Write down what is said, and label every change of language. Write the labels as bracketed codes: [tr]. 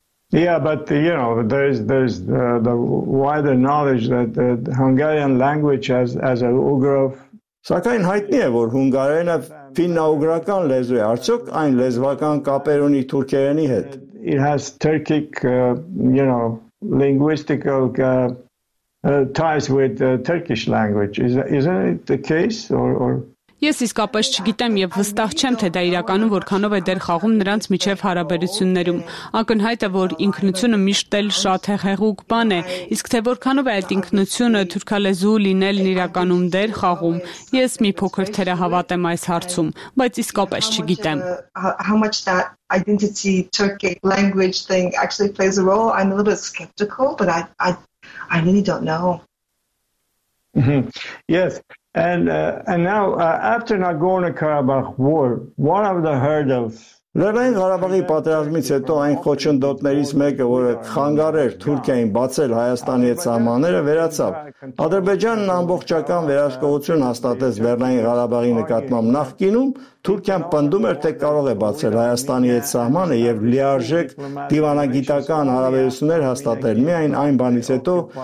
[en] Yeah, but you know, there's the wider knowledge that the Hungarian language as a Ugrov. [hy] Սակայն հայտնի է, որ հունգարենը ֆիննա-ուգրական լեզու է, արդյոք այն լեզվական կապեր ունի թուրքերենի հետ։ [en] It has Turkic, you know, linguistical ties with Turkish language. Isn't it the case or [hy] Ես իսկապես չգիտեմ եւ վստահ չեմ, թե դա իրականում որքանով է դեր խաղում նրանց միջև հարաբերություններում։ Ակնհայտ է, որ ինքնությունը միշտ էլ շատ հեղուկ բան է, իսկ թե որքանով է այդ ինքնությունը թուրքալեզու լինելն իրականում դեր խաղում, ես մի փոքր թերահավատ եմ այս հարցում, բայց իսկապես չգիտեմ։ [en] Identity Turkic language thing actually plays a role. I'm a little bit skeptical, but I really don't know. Yes. And now after Nagorno-Karabakh war, one of the hurdles. [hy] Լեռնային Ղարաբաղի պատերազմից հետո այն խոչընդոտներից մեկը, որը խանգարեր Թուրքիային բացել Հայաստանի հետ սահմանները, վերացավ։ Ադրբեջանն ամբողջական վերահսկողություն հաստատեց Լեռնային Ղարաբաղի նկատմամբ նախկինում, Թուրքիան պնդում էր, թե կարող է բացել Հայաստանի հետ սահմանը եւ լիարժեք դիվանագիտական հարաբերություններ հաստատել միայն այն բանից հետո,